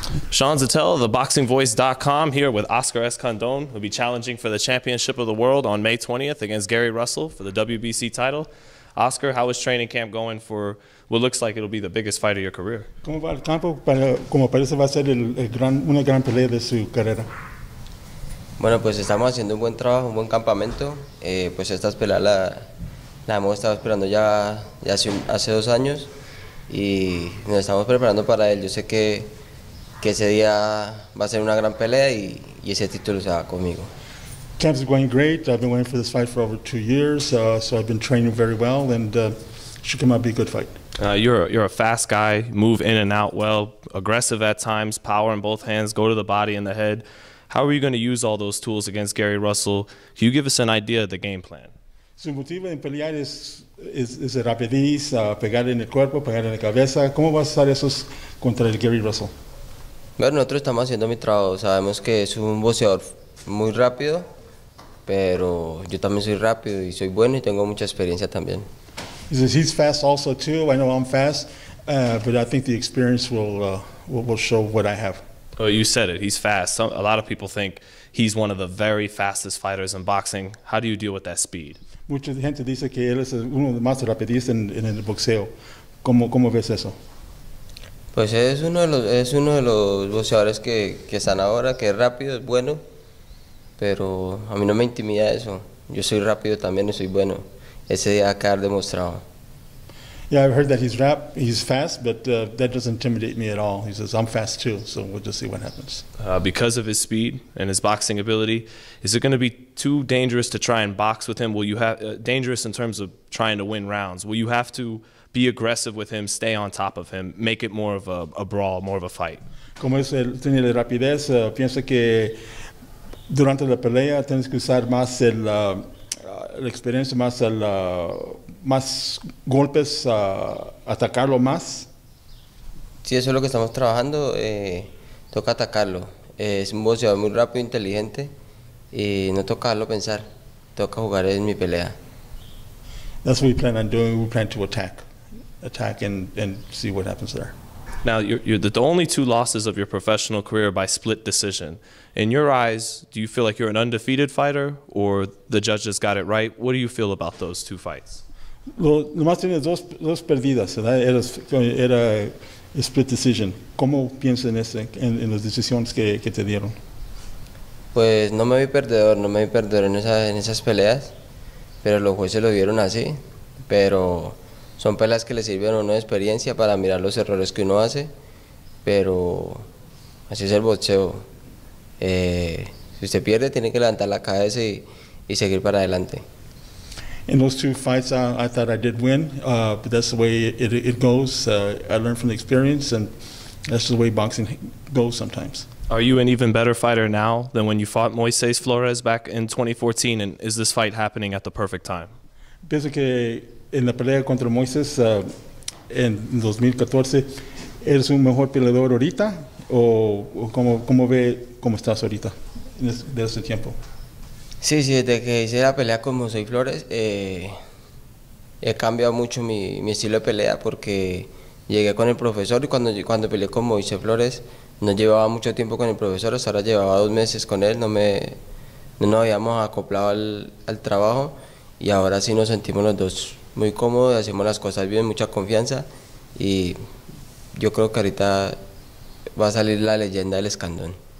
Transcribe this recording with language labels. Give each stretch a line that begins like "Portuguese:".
English: Sean Zatel, theboxingvoice.com, here with Oscar Escandon, who'll be challenging for the championship of the world on May 20th against Gary Russell for the WBC title. Oscar, how is training camp going for what looks like it'll be the biggest fight of your career?
Spanish: ¿Cómo va el campo? Como parece va a ser una gran pelea de su carrera. Bueno, pues estamos haciendo un buen trabajo, un buen campamento. Pues esta es pelear la hemos estado esperando ya hace dos años y nos estamos preparando para él. Yo sé que ese día va a ser una gran pelea y ese título se va conmigo.
English: Camp's going great. I've been waiting for this fight for over 2 years, so I've been training very well, and should come out be a good fight. You're a fast guy, move in and out well, aggressive at times, power in both hands, go to the body and the head. How are you going to use all those tools against Gary Russell? Can you give us an idea of the game plan?
Spanish: Su motivo en pelear es rapidez, pegar en el cuerpo, pegar en la cabeza. ¿Cómo vas a usar esos contra el Gary Russell? Bueno, nosotros estamos haciendo mi trabajo. Sabemos que es un boxeador muy rápido, pero yo también soy rápido y soy bueno y tengo mucha experiencia también.
English: He says he's fast also too. I know I'm fast, but I think the experience will show what I have. Well, you said it. He's fast. A lot of people think he's one of the very fastest fighters in boxing. How do you deal with that speed?
Spanish: Mucha gente dice que él es uno de los más rápidos en el boxeo. ¿Cómo ves eso? Pues es uno de los boxeadores que están ahora, que es rápido, es bueno, pero a mí no me intimida eso. Yo soy rápido también y soy bueno. Ese día acá ha demostrado.
English: Yeah, I've heard that he's fast, but that doesn't intimidate me at all. He says, I'm fast too, so we'll just see what happens. Because of his speed and his boxing ability, is it going to be too dangerous to try and box with him? Will you have dangerous in terms of trying to win rounds? Will you have to be aggressive with him, stay on top of him, make it more of a brawl, more of a fight?
Spanish: Como es el tiene la rapidez, pienso que durante la pelea tienes que usar más la experiencia, más más golpes, atacarlo más. Sí, eso es lo que estamos trabajando. Toca atacarlo. Es un boxeador muy rápido, inteligente, y no toca darlo pensar. Toca jugar en mi pelea.
English: That's what we plan on doing. We plan to attack and see what happens there. Now, you're the only two losses of your professional career by split decision. In your eyes, do you feel like you're an undefeated fighter, or the judges got it right? What do you feel about those two fights?
Spanish: Nomás tiene dos perdidas, ¿verdad? Era split decision. ¿Cómo piensas en las decisiones que te dieron? Pues no me vi perdedor en esas peleas, pero los jueces lo vieron así. Pero son peleas que le sirvieron a uno de experiencia para mirar los errores que uno hace, pero así es el boxeo. Si usted pierde, tiene que levantar la cabeza y seguir para adelante.
English: In those two fights, I thought I did win, but that's the way it goes. I learned from the experience, and that's the way boxing goes sometimes. Are you an even better fighter now than when you fought Moises Flores back in 2014, and is this fight happening at the perfect time?
Spanish: Pienso que en la pelea contra Moises en 2014, ¿eres un mejor peleador ahorita, o cómo ve cómo estás ahorita de ese tiempo? Sí, sí, desde que hice la pelea con Moisés Flores, he cambiado mucho mi estilo de pelea, porque llegué con el profesor y cuando peleé con Moisés Flores no llevaba mucho tiempo con el profesor, hasta ahora llevaba dos meses con él, no nos habíamos acoplado al trabajo, y ahora sí nos sentimos los dos muy cómodos, hacemos las cosas bien, mucha confianza, y yo creo que ahorita va a salir la leyenda del Escandón.